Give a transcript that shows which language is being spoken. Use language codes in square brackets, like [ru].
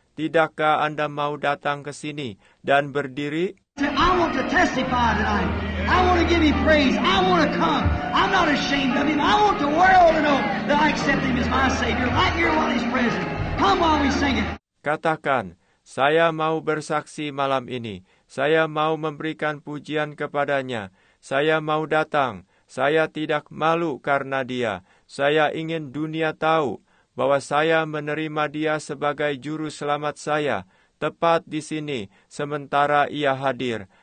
[id] Tidakkah Anda mau datang ke sini dan berdiri? [en] I want to testify tonight. I want to give Him praise. I want to come. I'm not ashamed of Him. I want the world to know that I accept Him as my Savior. Right here while He's present. Come while we sing it. [id] Katakan, saya mau bersaksi malam ini. Saya mau memberikan pujian kepadanya. Saya mau datang. Saya tidak malu karena Dia. Saya ingin dunia tahu bahwa saya menerima Dia sebagai Juru Selamat saya, tepat di sini, sementara Ia hadir.